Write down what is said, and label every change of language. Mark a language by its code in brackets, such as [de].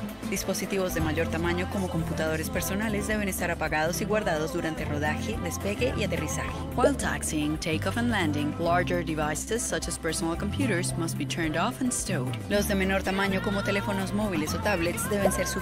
[es] Dispositivos de mayor tamaño como computadores personales deben estar apagados y guardados durante rodaje, despegue y aterrizaje. [en] While taxiing, takeoff and landing, larger devices such as personal computers must be turned off and stowed. [es] Los de menor tamaño como teléfonos móviles o tablets deben ser sujetados